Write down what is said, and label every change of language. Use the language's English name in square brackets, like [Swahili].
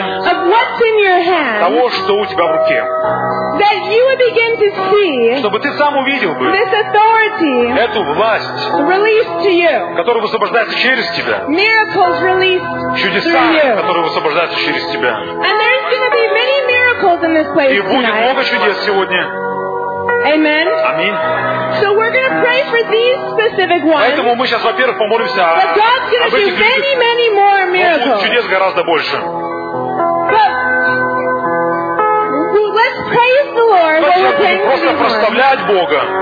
[English] Of what's in your hand. [Russian] Того, что у тебя в руке. [English] That you would begin to see. [Russian] Чтобы ты сам увидел бы. [English] This authority. [Russian] Эту власть. [English] Released to you. [Russian] Которая высвобождается через тебя. [English] Miracles released through you. [Russian] Чудеса, которые высвобождаются через тебя. [English] And there's gonna be many miracles in this place tonight. [Russian] И будет много чудес сегодня. [English] Amen. Amen. So we're going to pray for these specific ones. [Russian] Поэтому мы сейчас, во-первых, помолимся. [English] But God's going to do many, many more miracles. [Russian] Будет чудес гораздо больше. [English] But let's praise the Lord. [Russian] Сейчас [English] we're praying [Russian] будем просто прославлять Бога.